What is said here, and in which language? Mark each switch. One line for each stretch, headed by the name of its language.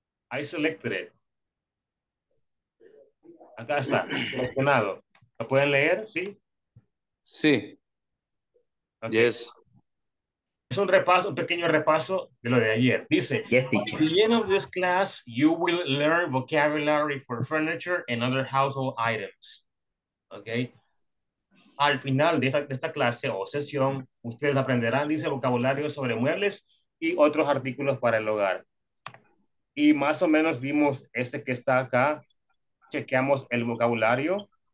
English: I selected it.
Spanish: Acá está, seleccionado. ¿Lo pueden leer? Sí. Sí, Ok.
English: yes,
Spanish: Es un repaso, un pequeño repaso de lo de ayer. Dice,
English: teacher. by the end of this class, you will learn vocabulary for furniture and other household items. Ok.
Spanish: Al final de esta clase o sesión, ustedes aprenderán, dice, vocabulario sobre muebles y otros artículos para el hogar. Y más o menos vimos este que está acá. Chequeamos el vocabulario.